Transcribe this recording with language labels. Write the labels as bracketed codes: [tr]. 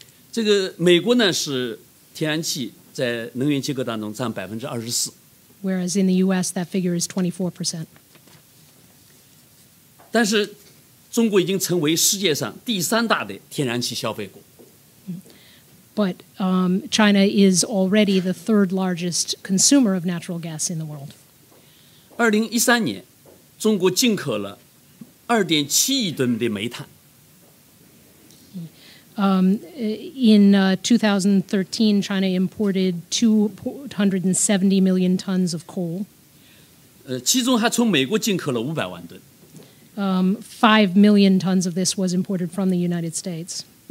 [zh] 这个美国呢是天然气在能源结构当中占24%. [en] Whereas in the U.S. that figure is 24%. [zh] 但是中国已经成为世界上第三大的天然气消费国。 [en] But China is already the third largest consumer of natural gas in the world. [zh] 2013年, 中国进口了2.7亿吨的煤炭。 [en] 2013, China imported 270 million tons of coal. [zh] 其中还从美国进口了500万吨。 [en] 5 million tons of this was imported from the United States.